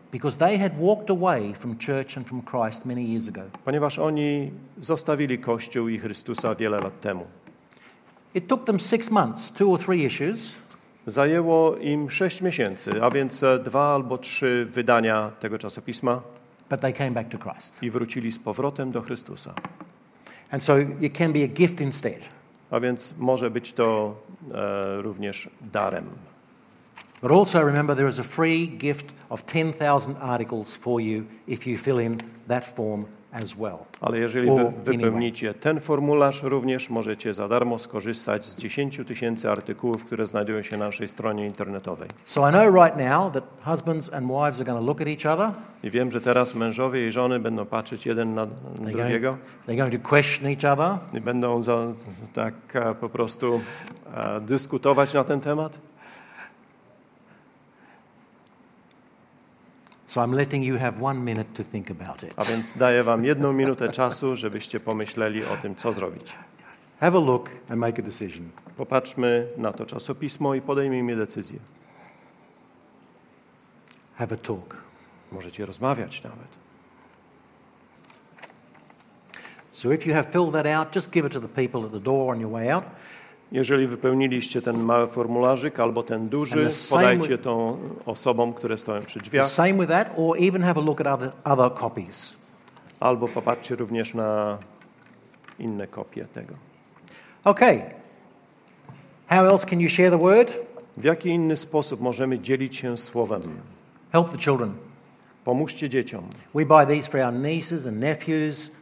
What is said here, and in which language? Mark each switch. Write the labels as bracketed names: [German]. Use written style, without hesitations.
[English] Because they had walked away from church and from Christ many years ago. [Polish] Ponieważ oni zostawili Kościół i Chrystusa wiele lat temu. [English] It took them 6 months, two or three issues. [Polish] Zajęło im 6 miesięcy, a więc 2 albo 3 wydania tego czasopisma. [English] But they came back to Christ. [Polish] I wrócili z powrotem do Chrystusa. [English] And so it can be a gift instead. [Polish] A więc może być to również darem. [English] But also remember there is a free gift of 10,000 articles for you if you fill in that form as well. [Polish] Ale jeżeli wypełnicie ten formularz, również możecie za darmo skorzystać z 10 tysięcy artykułów, które znajdują się na naszej stronie internetowej. [English] So I know right now that husbands and wives are going to look at each other. [Polish] I wiem, że teraz mężowie i żony będą patrzeć jeden na drugiego. [English] They're going to question each other. [Polish] I będą tak po prostu dyskutować na ten temat. [English] So I'm letting you have 1 minute to think about it. [Polish] A więc daję wam 1 minutę czasu, żebyście pomyśleli o tym, co zrobić. [English] Have a look and make a decision. [Polish] Popatrzmy na to czasopismo i podejmijmy decyzję. [English] Have a talk. [Polish] Możecie rozmawiać nawet. [English] So if you have filled that out, just give it to the people at the door on your way out. [Polish] Jeżeli wypełniliście ten mały formularzyk albo ten duży, podajcie to osobom, które stoją przy drzwiach. [English] Same with that, or even have a look at other copies. [Polish] Albo popatrzcie również na inne kopie tego. [English] Okay. How else can you share the word? [Polish] W jaki inny sposób możemy dzielić się słowem? [English] Help the children. [Polish] Pomóżcie dzieciom. [English] We buy these for our nieces and nephews.